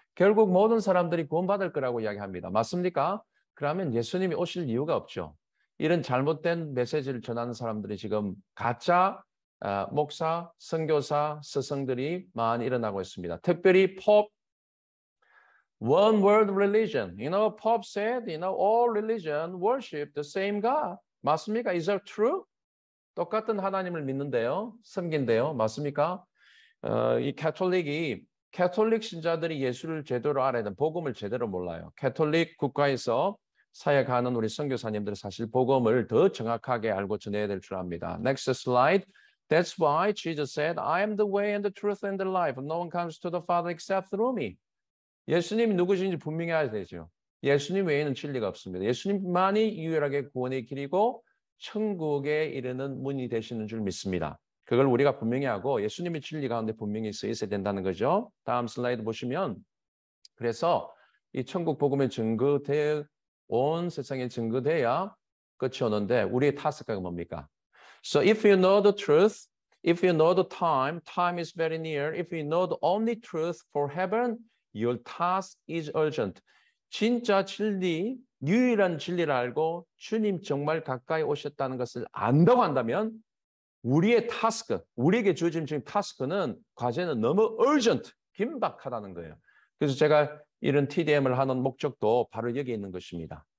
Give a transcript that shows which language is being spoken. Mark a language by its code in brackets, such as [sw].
[ko] 결국 모든 사람들이 구원받을 거라고 이야기합니다. 맞습니까? 그러면 예수님이 오실 이유가 없죠. 이런 잘못된 메시지를 전하는 사람들이 지금 가짜 목사, 선교사, 스승들이 많이 일어나고 있습니다. 특별히 [en] Pope One World Religion. You know, Pope said, you know, all religion worship the same God. [ko] 맞습니까? [en] Is that true? [ko] 똑같은 하나님을 믿는데요, 섬긴데요. 맞습니까? 이 캐톨릭이 캐톨릭 신자들이 예수를 제대로 알아야 된 복음을 제대로 몰라요. 캐톨릭 국가에서 사역하는 우리 선교사님들 사실 복음을 더 정확하게 알고 전해야 될 줄 압니다. [en] Next slide. That's why Jesus said, I am the way and the truth and the life. No one comes to the Father except through me. [ko] 예수님이 누구신지 분명히 알아야 되죠. 예수님 외에는 진리가 없습니다. 예수님만이 유일하게 구원의 길이고 천국에 이르는 문이 되시는 줄 믿습니다. 그걸 우리가 분명히 하고 예수님의 진리 가운데 분명히 서 있어야 된다는 거죠. 다음 슬라이드 보시면 그래서 이 천국 복음의 증거돼 온 세상에 증거돼야 끝이 오는데 우리의 타스가 뭡니까? [en] So if you know the truth, if you know the time, time is very near. If you know the only truth for heaven, your task is urgent. [ko] 진짜 진리, 유일한 진리를 알고 주님 정말 가까이 오셨다는 것을 안다고 한다면 우리의 타스크, 우리에게 주어진 지금 타스크는 과제는 너무 urgent, 긴박하다는 거예요. 그래서 제가 이런 TDM을 하는 목적도 바로 여기에 있는 것입니다.